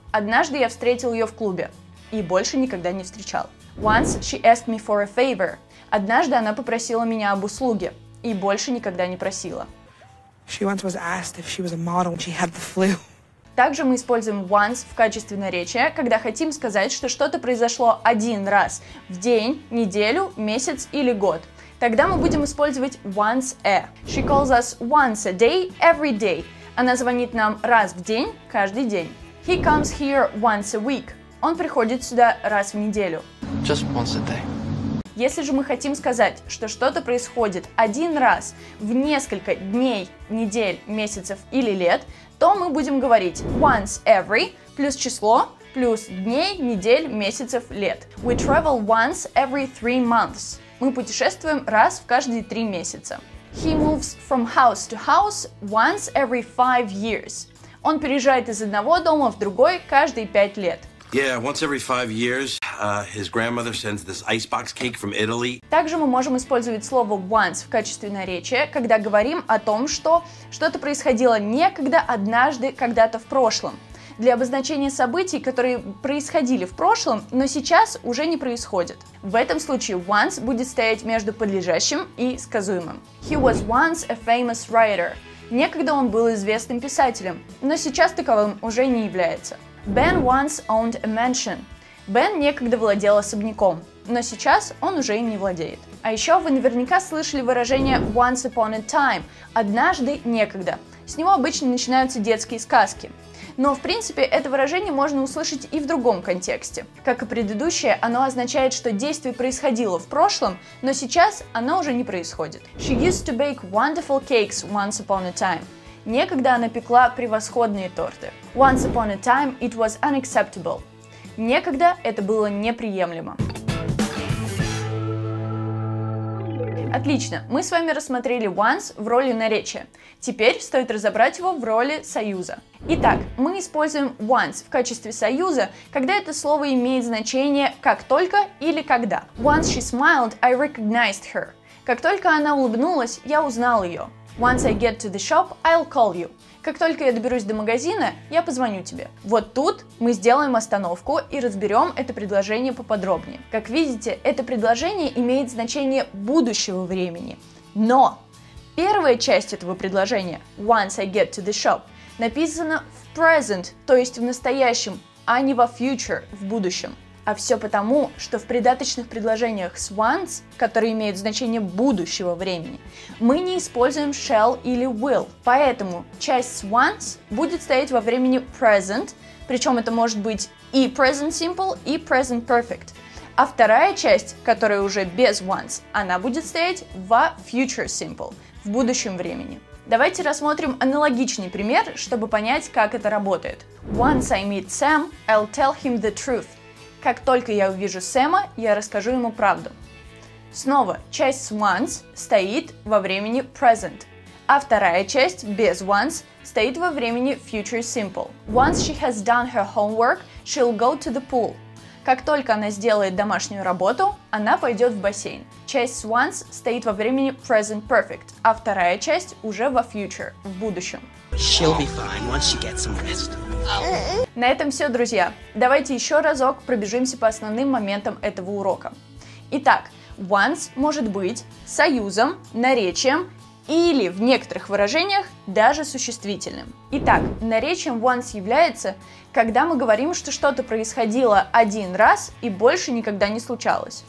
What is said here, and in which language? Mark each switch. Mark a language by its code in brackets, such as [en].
[ru] Однажды я встретил ее в клубе и больше никогда не встречал. [en] Once she asked me for a favor. [ru] Однажды она попросила меня об услуге и больше никогда не просила. [en] She once was asked if she was a model when she had the flu. [ru] Также мы используем once в качестве наречия, когда хотим сказать, что что-то произошло один раз в день, неделю, месяц или год. Тогда мы будем использовать [en] once a. She calls us once a day, every day. [ru] Она звонит нам раз в день, каждый день. [en] He comes here once a week. [ru] Он приходит сюда раз в неделю. [en] Just once a day. [ru] Если же мы хотим сказать, что что-то происходит один раз в несколько дней, недель, месяцев или лет, то мы будем говорить [en] once every [ru] плюс число плюс дней, недель, месяцев, лет. [en] We travel once every three months. [ru] Мы путешествуем раз в каждые три месяца. [en] He moves from house to house once every five years. [ru] Он переезжает из одного дома в другой каждые пять лет. [en] Yeah, once every five years, his grandmother sends this icebox cake from Italy. [ru] Также мы можем использовать слово once в качестве наречия, когда говорим о том, что что-то происходило некогда, однажды, когда-то в прошлом. Для обозначения событий, которые происходили в прошлом, но сейчас уже не происходят. В этом случае once будет стоять между подлежащим и сказуемым. [en] He was once a famous writer. [ru] Некогда он был известным писателем, но сейчас таковым уже не является. [en] Ben once owned a mansion. [ru] Бен некогда владел особняком, но сейчас он уже им не владеет. А еще вы наверняка слышали выражение [en] once upon a time [ru] – однажды некогда. С него обычно начинаются детские сказки. Но в принципе это выражение можно услышать и в другом контексте. Как и предыдущее, оно означает, что действие происходило в прошлом, но сейчас оно уже не происходит. [en] She used to bake wonderful cakes once upon a time. [ru] Некогда она пекла превосходные торты. [en] Once upon a time it was unacceptable. [ru] Некогда это было неприемлемо. Отлично, мы с вами рассмотрели once в роли наречия. Теперь стоит разобрать его в роли союза. Итак, мы используем once в качестве союза, когда это слово имеет значение как только или когда. [en] Once she smiled, I recognized her. [ru] Как только она улыбнулась, я узнал ее. [en] Once I get to the shop, I'll call you. [ru] Как только я доберусь до магазина, я позвоню тебе. Вот тут мы сделаем остановку и разберем это предложение поподробнее. Как видите, это предложение имеет значение будущего времени. Но первая часть этого предложения, [en] once I get to the shop, [ru] написана в present, то есть в настоящем, а не во future, в будущем. А все потому, что в придаточных предложениях с once, которые имеют значение будущего времени, мы не используем shall или will. Поэтому часть с once будет стоять во времени present, причем это может быть и present simple, и present perfect. А вторая часть, которая уже без once, она будет стоять во future simple, в будущем времени. Давайте рассмотрим аналогичный пример, чтобы понять, как это работает. [en] Once I meet Sam, I'll tell him the truth. [ru] Как только я увижу Сэма, я расскажу ему правду. Снова, часть с once стоит во времени present, а вторая часть без once стоит во времени future simple. [en] Once she has done her homework, she'll go to the pool. [ru] Как только она сделает домашнюю работу, она пойдет в бассейн. Часть с once стоит во времени present perfect, а вторая часть уже во future, в будущем. [en] She'll be fine once she gets some rest. [ru] На этом все, друзья. Давайте еще разок пробежимся по основным моментам этого урока. Итак, once может быть союзом, наречием или в некоторых выражениях даже существительным. Итак, наречием once является, когда мы говорим, что что-то происходило один раз и больше никогда не случалось.